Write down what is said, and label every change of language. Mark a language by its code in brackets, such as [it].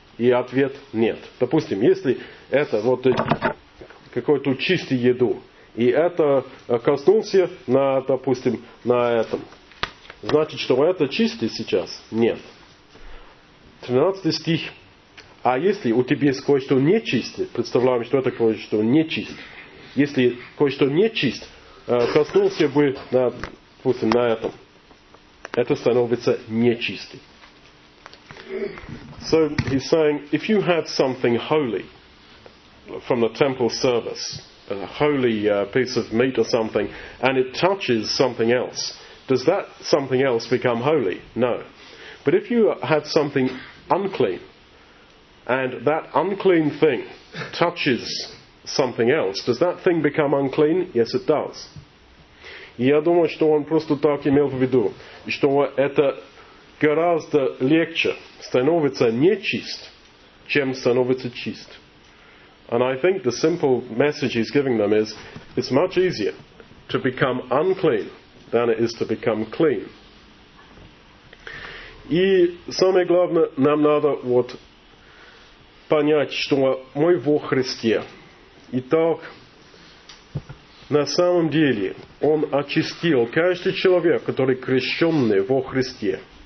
[ru] И ответ нет. Допустим, если это вот какой-то чистый еду, и это коснулся на, допустим, на этом, значит, что это чистый сейчас? Нет. 13 стих. А если у тебя есть кое-что нечистое, представляем, что это кое-что нечистое, если кое-что нечистое коснулся бы, на, допустим, на этом, это становится нечистым. [en] So he's saying, if you had something holy from the temple service, a holy piece of meat or something, and it touches something else, does that something else become holy? No. But if you had something unclean, and that unclean thing touches something else, does that thing become unclean? Yes, it does. [ru] Я думаю, что он просто так имел в виду, что это гораздо легче становится нечист, чем становится чист. [en] And I think the simple message he's giving them is, it's much easier to become unclean than it is to become clean. [ru] И самое главное, нам надо вот понять, что мы во Христе. Итак, на самом деле, он очистил каждый человек, который крещенный во Христе.